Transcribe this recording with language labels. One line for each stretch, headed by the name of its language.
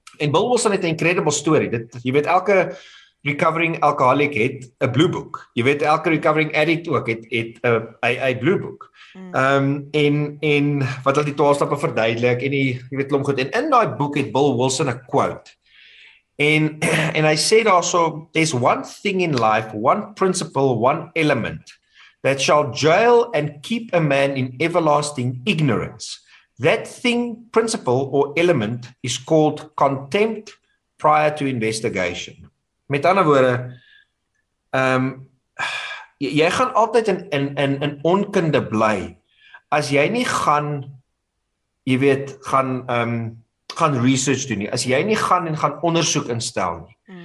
Afrikaans: En Bill Wilson het 'n
English: incredible story.
Afrikaans: Dit jy weet elke recovering alcoholic het 'n blue book. Jy weet, elke recovering addict ook het 'n blue book. En wat al die 12 stappe verduidelik en die, jy weet, klomp goed. En in daai boek het Bill Wilson 'n quote. En hy sê daarso,
English: there's one thing in life, one principle, one element that shall jail and keep a man in everlasting ignorance. That thing, principle or element is called contempt prior to investigation.
Afrikaans: Met ander woorde, jy gaan altyd in onkunde bly as jy nie gaan, jy weet, gaan research doen nie, as jy nie gaan en gaan ondersoek instel nie.